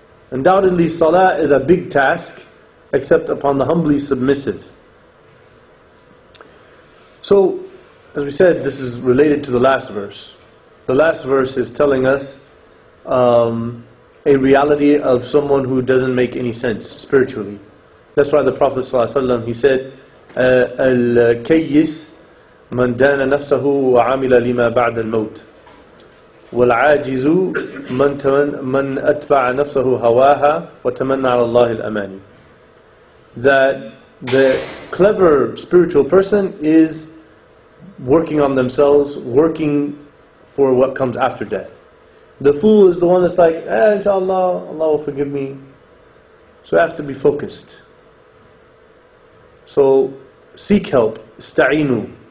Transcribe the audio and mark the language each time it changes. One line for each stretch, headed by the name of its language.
English: Undoubtedly, salah is a big task except upon the humbly submissive. So, as we said, this is related to the last verse. The last verse is telling us a reality of someone who doesn't make any sense spiritually. That's why the Prophet ﷺ, he said,
Arabic: الْكَيِّسْ مَنْ دَانَ نَفْسَهُ وَعَامِلَ لِمَا بَعْدَ الْمَوْتِ وَالْعَاجِزُ مَنْ أَتْبَعَ نَفْسَهُ هَوَاهَا وَتَمَنَّ عَلَى اللَّهِ الْأَمَانِ.
English: That the clever spiritual person is working on themselves, working for what comes after death. The fool is the one that's like, inshallah, Allah will forgive me. So I have to be focused. So seek help, استعينوا.